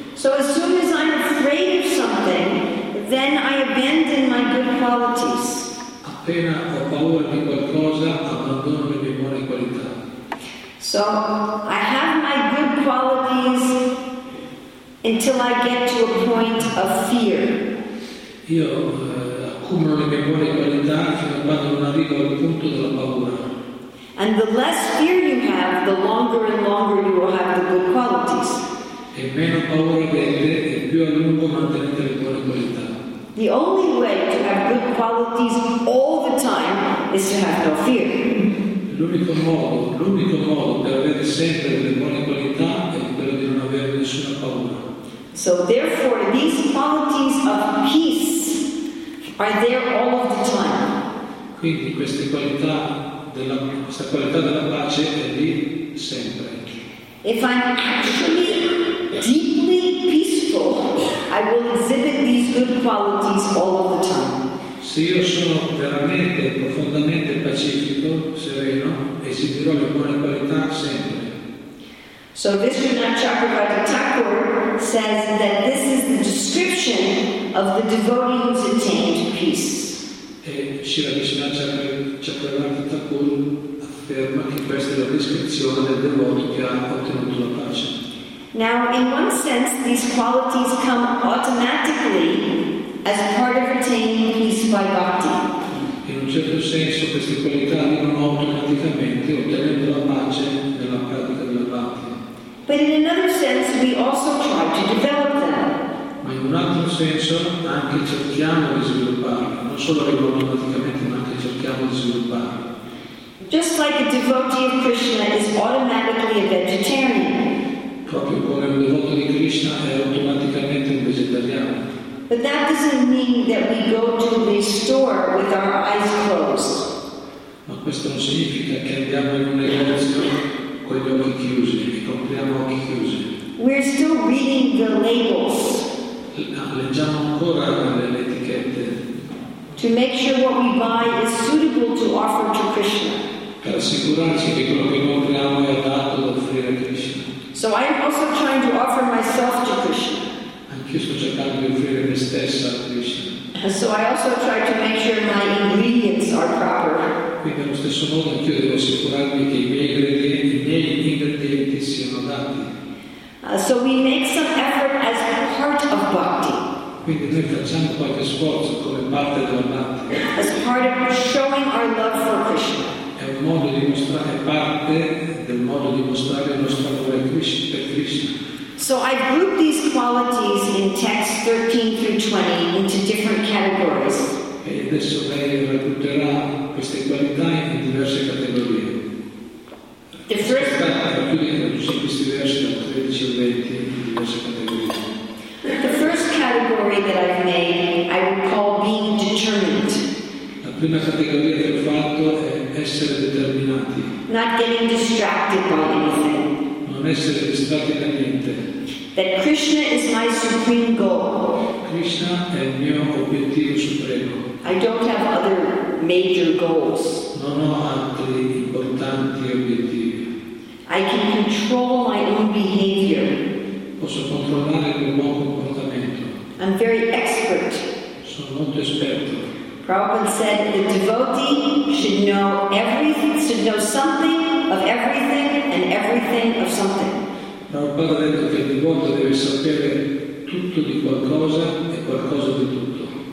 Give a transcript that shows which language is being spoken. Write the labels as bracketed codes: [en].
[en] So as soon as I'm afraid of something, then I abandon my good qualities. [it] Appena ho paura di qualcosa, abbandono le mie buone qualità. [en] So I have my good qualities until I get to a point of fear. [it] Io accumulo le mie buone qualità fino a quando non arrivo al punto della paura. [en] And the less fear you have, the longer and longer you will have the good qualities. [it] E meno paura avete, e più a lungo mantenete le buone qualità. [en] The only way to have good qualities all the time is to have no fear. [it] L'unico modo per avere sempre le buone qualità è quello di non avere nessuna paura. [en] So therefore, these qualities of peace are there all of the time. [it] Quindi queste qualità della, questa qualità della pace è lì sempre. [en] If I'm actually deeply peaceful, I will exhibit these good qualities all of the time. [it] Se io sono veramente profondamente pacifico, sereno, esibirò le buone qualità sempre. [en] So Vishnu Chakravarti Thakur says that this is the description of the devotee who's attained peace. [it] E Srila Vishnu Chakravarti Thakur afferma che questa è la descrizione del devoto che ha ottenuto la pace. [en] Now, in one sense, these qualities come automatically as part of attaining peace by bhakti. [it] In un certo senso, queste qualità arrivano automaticamente ottenendo la pace nella pratica della bhakti. [en] But in another sense, we also try to develop them. [it] Ma in un altro senso, anche cerchiamo di svilupparli. Non solo arrivano automaticamente, ma anche cerchiamo di svilupparli. [en] Just like a devotee of Krishna is automatically a vegetarian. [it] Proprio come un devoto di Krishna è automaticamente un vegetariano. [en] But that doesn't mean that we go to the store with our eyes closed. [it] Ma questo non significa che andiamo in un negozio con gli occhi chiusi, che compriamo occhi chiusi. [en] We're still reading the labels. [it] Leggiamo ancora le etichette. [en] To make sure what we buy is suitable to offer to Krishna. [it] Per assicurarci che quello che compriamo è adatto ad offrire a Krishna. [en] So I am also trying to offer myself to Krishna. [it] Anch'io sto cercando di offrire me stessa a Krishna. [en] So I also try to make sure my ingredients are proper. [it] Quindi allo stesso modo anch'io devo assicurarmi che i miei ingredienti siano adatti. [en] So we make some effort as part of bhakti. [it] Quindi noi facciamo qualche sforzo come parte della bhakti. [en] As part of showing our love for Krishna. [it] È un modo di mostrare parte del modo di mostrare il nostro amore per Krishna. [en] So I group these qualities in text 13 through 20 into different categories. [it] E adesso lei racconterà queste qualità in diverse categorie. [en] The first category that I've made, I would call being determined. [it] La prima categoria che ho fatto è essere determinati. [en] Not getting distracted by anything. [it] Non essere distratti da niente. [en] That Krishna is my supreme goal. [it] Krishna è il mio obiettivo supremo. [en] I don't have other major goals. [it] Non ho altri importanti obiettivi. [en] I can control my own behavior. [it] Posso controllare il mio buon comportamento. [en] I'm very expert. [it] Sono molto esperto. [en] Prabhupada said the devotee should know everything, should know something of everything and everything of something. [it] Prabhupada ha detto che il devoto deve sapere tutto di qualcosa e qualcosa di tutto.